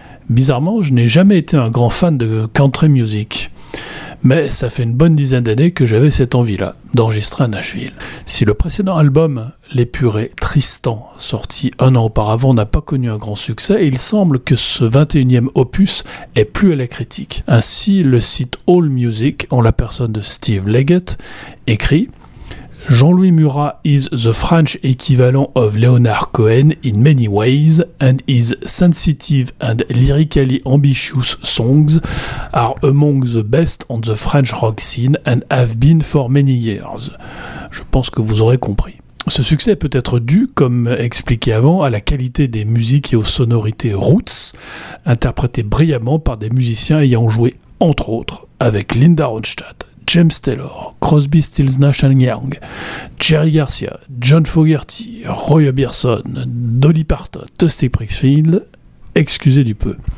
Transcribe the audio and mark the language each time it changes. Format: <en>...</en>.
<fr>Bizarrement, je n'ai jamais été un grand fan de country music. Mais ça fait une bonne dizaine d'années que j'avais cette envie-là d'enregistrer à Nashville. Si le précédent album, L'épuré Tristan, sorti un an auparavant, n'a pas connu un grand succès, il semble que ce 21e opus ait plu à la critique. Ainsi, le site AllMusic, en la personne de Steve Leggett, écrit</fr> <en>« Jean-Louis Murat is the French equivalent of Leonard Cohen in many ways, and his sensitive and lyrically ambitious songs are among the best on the French rock scene and have been for many years. »</en> <fr>Je pense que vous aurez compris. Ce succès peut être dû, comme expliqué avant, à la qualité des musiques et aux sonorités roots, interprétées brillamment par des musiciens ayant joué, entre autres, avec Linda Ronstadt, James Taylor, Crosby, Stills, Nash & Young, Jerry Garcia, John Fogerty, Roy Orbison, Dolly Parton, Dusty Springfield, excusez du peu.</fr>